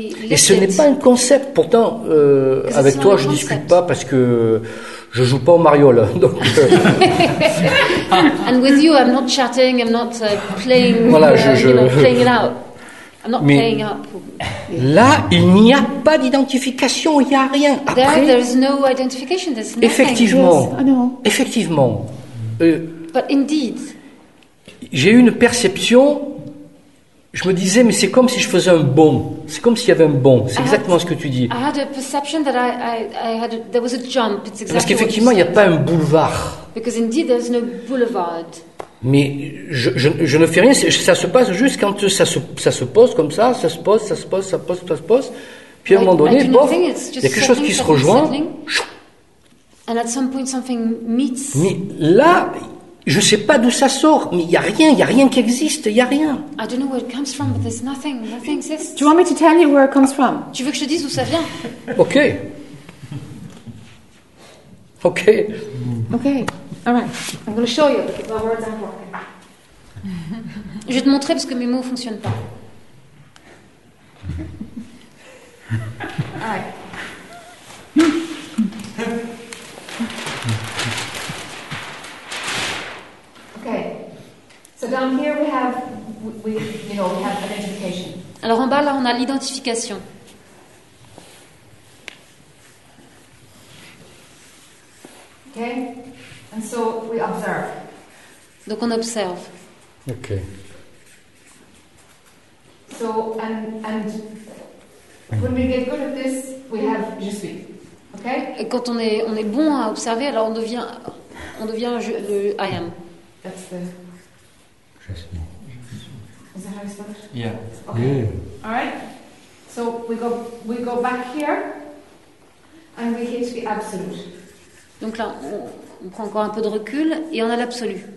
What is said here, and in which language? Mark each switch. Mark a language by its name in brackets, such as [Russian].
[French] Et ce n'est pas un concept. Pourtant, avec toi, je ne discute pas parce que je ne joue pas au Mario. [English] And with you, I'm not chatting, I'm not playing, voilà, playing it out. I'm not [French] mais [English] playing up. [French] Là, il n'y a pas d'identification, il n'y a rien. Après, [English] there is no identification, there's nothing. [French] Effectivement. [English] Yes, I know. [French] Effectivement. [English] But indeed. [French] J'ai eu une perception, je me disais, mais c'est comme si je faisais un bond. C'est comme s'il y avait un bond. C'est exactement ce que tu dis. J'ai eu une perception que [English] there was a jump. It's exactly. [French] Parce qu'effectivement, il n'y a pas un boulevard. [English] Because indeed, there's no boulevard. [French] Mais je ne fais rien. Ça se passe juste quand ça se pose comme ça. Ça se pose, ça se pose, ça se pose, ça se pose. Puis à un moment donné, bof, il y a quelque chose qui se rejoint. [English] And at some point, something meets. [French] Mais là, je ne sais pas d'où ça sort, mais il n'y a rien qui existe, il n'y a rien. [English] I don't know where it comes from, but there's nothing, nothing exists. Do you want me to tell you where it comes from? [French] Tu veux que je te dise d'où ça vient? [English] Okay. Okay. Okay, all right. I'm going to show you, but my words aren't working. [French] Je vais te montrer parce que mes mots ne fonctionnent pas. [English] All right. So down here we have identification. [French] Alors en bas là on a l'identification. [English] Okay, and so we observe. [French] Donc on observe. [English] Okay. So and when we get good at this, we have [French] je suis. [English] Okay. [French] Et quand on est bon à observer, alors on devient le [English] I am. Is that how you spell it? Yeah. Okay. Yeah. All right. So we go back here, and we hit the absolute. [French] Donc là, on prend encore un peu de recul et on a l'absolu.